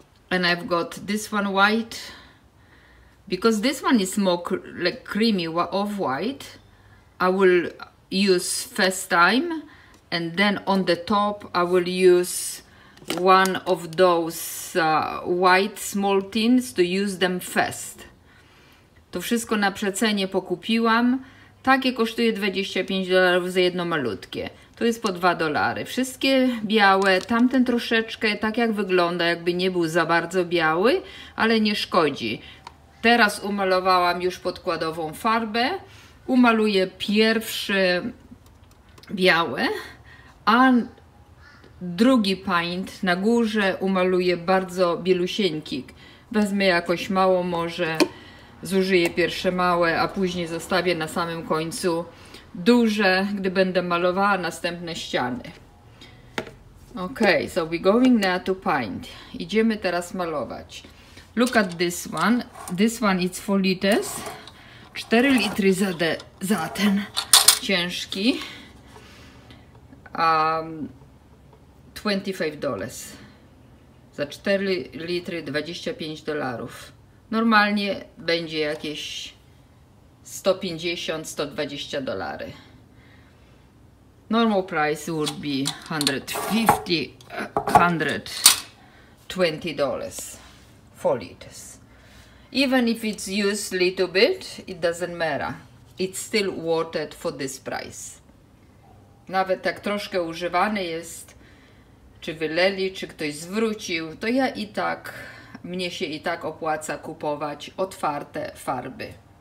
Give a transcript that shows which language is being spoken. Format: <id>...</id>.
<en>And I've got this one white. Because this one is more like creamy off-white, I will use first time. And then on the top I will use one of those white small tins to use them first.</en> <pl>To wszystko na przecenie pokupiłam. Takie kosztuje $25 za jedno malutkie. To jest po $2. Wszystkie białe, tamten troszeczkę tak jak wygląda, jakby nie był za bardzo biały, ale nie szkodzi. Teraz umalowałam już podkładową farbę. Umaluję pierwsze białe, a drugi paint na górze umaluję bardzo bielusieńki. Wezmę jakoś mało, może zużyję pierwsze małe, a później zostawię na samym końcu duże, gdy będę malowała następne ściany.</pl> <en>Ok, so we're going now to paint.</en> <pl>Idziemy teraz malować.</pl> <en>Look at this one. This one is 4 liters.</en> <pl>4 litry za ten ciężki. $25 za 4 litry $25. Normalnie będzie jakieś $150-$120.</pl> <en>Normal price would be $150-$120 for liters. Even if it's used a little bit, it doesn't matter. It's still worth it for this price.</en> <pl>Nawet jak troszkę używany jest, czy wyleli, czy ktoś zwrócił, to ja i tak, mnie się i tak opłaca kupować otwarte farby.</pl>